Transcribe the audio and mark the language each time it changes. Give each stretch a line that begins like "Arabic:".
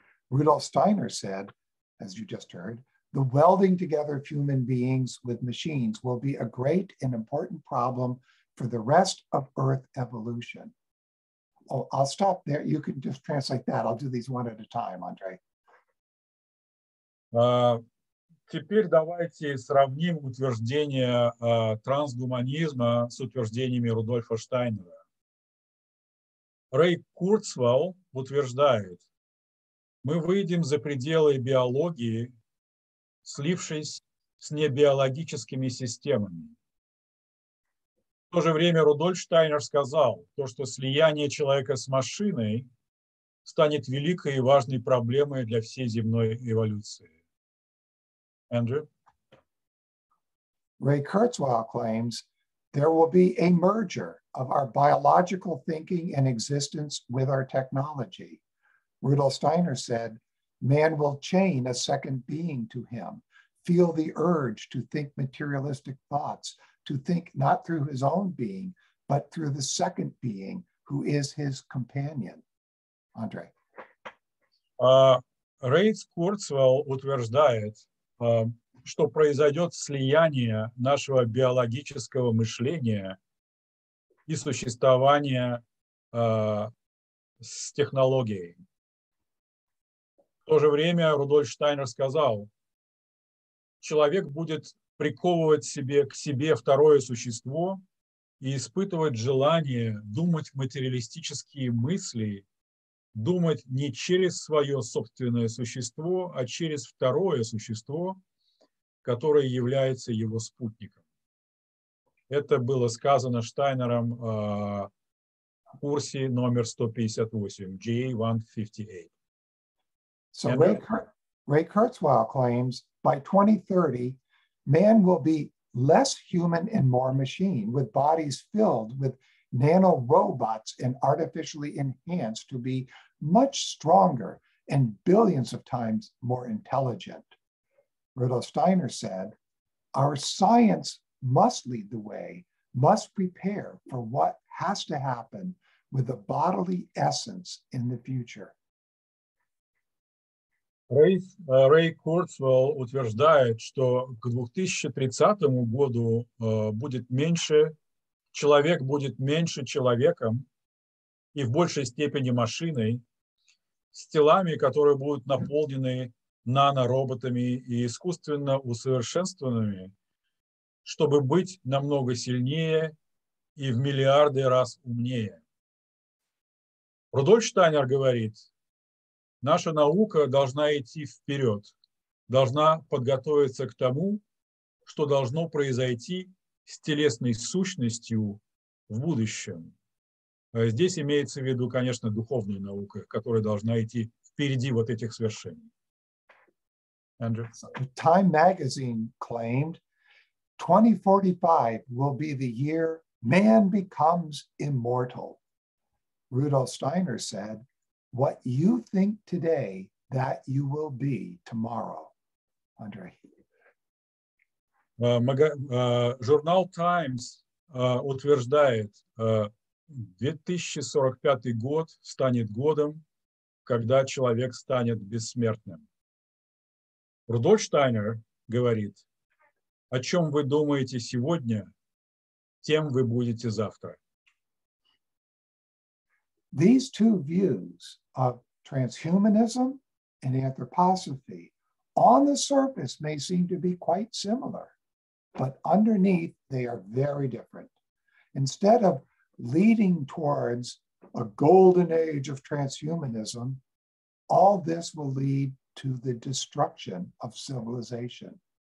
English: Rudolf Steiner said, as you just heard, the welding together of human beings with machines will be a great and important problem for the rest of Earth evolution. Oh, I'll stop there. You can just translate that. I'll do these one at a time, Andre.
Russian: Теперь давайте сравним утверждения трансгуманизма с утверждениями Рудольфа Штайнера. Рэй Курцвал утверждает, мы выйдем за пределы биологии, слившись с небиологическими системами. В то же время Рудольф Штайнер сказал, то, что слияние человека с машиной станет великой и важной проблемой для всей земной эволюции. Andrew?
English: Ray Kurzweil claims there will be a merger of our biological thinking and existence with our technology. Rudolf Steiner said, man will chain a second being to him, feel the urge to think materialistic thoughts, to think not through his own being, but through the second being who is his companion. Andre.
Russian: Ray Kurzweil утверждает, что произойдет слияние нашего биологического мышления и существования с технологией. В то же время Рудольф Штайнер сказал, человек будет приковывать себе к себе второе существо и испытывать желание думать материалистические мысли, думать не через свое собственное существо, а через второе существо, которое является его спутником. Это было сказано Штайнером в курсе номер 158,
English: J158. So Ray Kurzweil claims, by 2030, man will be less human and more machine, with bodies filled with nanorobots and artificially enhanced to be much stronger and billions of times more intelligent. Rudolf Steiner said, our science must lead the way, must prepare for what has to happen with the bodily essence in the future.
Russian: Рэй Курцвелл утверждает, что к 2030 году будет меньше, человек будет меньше человеком и в большей степени машиной, с телами, которые будут наполнены нанороботами и искусственно усовершенствованными, чтобы быть намного сильнее и в миллиарды раз умнее. Рудольф Штайнер говорит, наша наука должна идти вперед, должна подготовиться к тому, что должно произойти с телесной сущностью в будущем. Здесь имеется в виду, конечно, духовная наука, которая должна идти впереди вот этих свершений. Andrew.
English: Time magazine claimed 2045 will be the year man becomes immortal. Rudolf Steiner said, what you think today, that you will be tomorrow. Andre.
Russian: Журнал Times утверждает, 2045 год станет годом, когда человек станет бессмертным. Рудольф Штайнер говорит, о чем вы думаете сегодня, тем вы будете завтра.
English: These two views of transhumanism and anthroposophy on the surface may seem to be quite similar, but underneath they are very different. Instead of leading towards a golden age of transhumanism, all this will lead to the destruction of civilization.